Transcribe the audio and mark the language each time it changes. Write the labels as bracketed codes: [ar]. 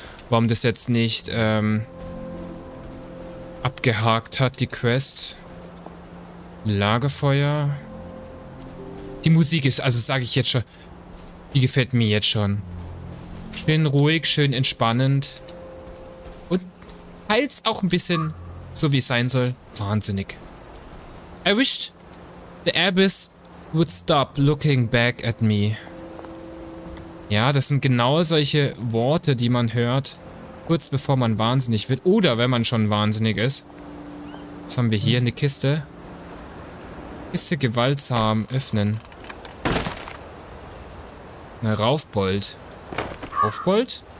[de] Warum das jetzt nicht, abgehakt hat, die Quest. Lagerfeuer. Die Musik ist, also sage ich jetzt schon, die gefällt mir jetzt schon. Schön ruhig, schön entspannend. Und heilt's auch ein bisschen, so wie es sein soll. Wahnsinnig. [en] I wished the Abyss would stop looking back at me. [de] Ja, das sind genau solche Worte, die man hört, kurz bevor man wahnsinnig wird. Oder wenn man schon wahnsinnig ist. Was haben wir hier? Eine Kiste. Kiste gewaltsam öffnen. Eine Raufbold. Raufbold?